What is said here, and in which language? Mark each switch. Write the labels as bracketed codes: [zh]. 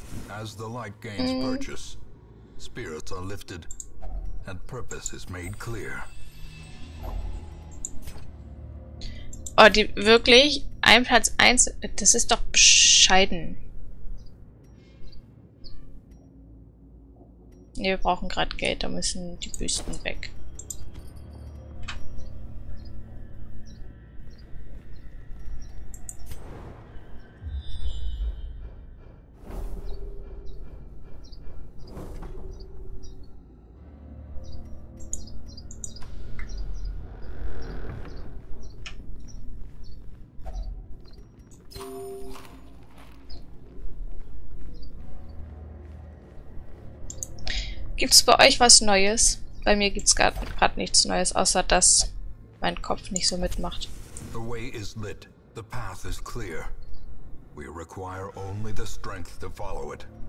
[en] As the light gains purchase, spirits are lifted and purpose is made clear. [de] Oh, die wirklich ein Platz 1, das ist doch bescheiden. Ne, wir brauchen gerade Geld, da müssen die Büsten weg. Gibt's bei euch was Neues? Bei mir gibt's gerade nichts Neues, außer dass mein Kopf nicht so mitmacht. [en] The way is lit. The path is clear. We require only the strength to follow it.